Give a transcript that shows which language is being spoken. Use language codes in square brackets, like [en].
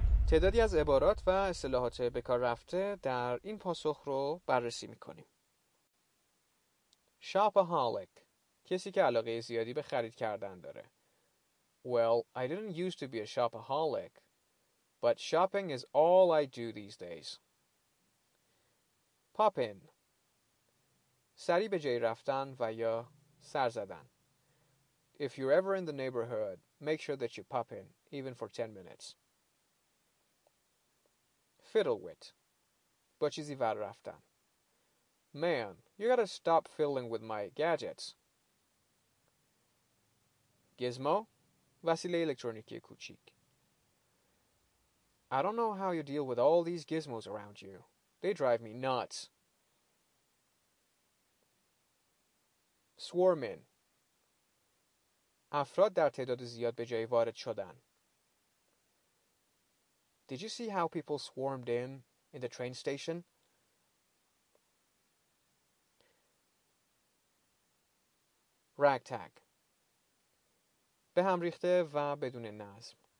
[fa] تعدادی از عبارات و اصطلاحات به کار رفته در این پاسخ رو بررسی می‌کنیم. [en] Shopaholic. [fa] کسی که علاقه زیادی به خرید کردن داره. [en] Well, I didn't used to be a shopaholic, but shopping is all I do these days. Pop in. [fa] سری به جای رفتن و یا سر زدن. [en] If you're ever in the neighborhood, make sure that you pop in, even for 10 minutes. Fiddle with. [fa] با چیزی ور رفتن. [en] Man, you gotta stop fiddling with my gadgets. [fa] Gizmo, وسیله الکترونیکی کوچیک. [en] I don't know how you deal with all these gizmos around you. They drive me nuts. Swarm in. [fa] افراد در تعداد زیاد به جای وارد شدن. [en] Did you see how people swarmed in the train station? [fa] Ragtag. به هم ریخته و بدون نظم.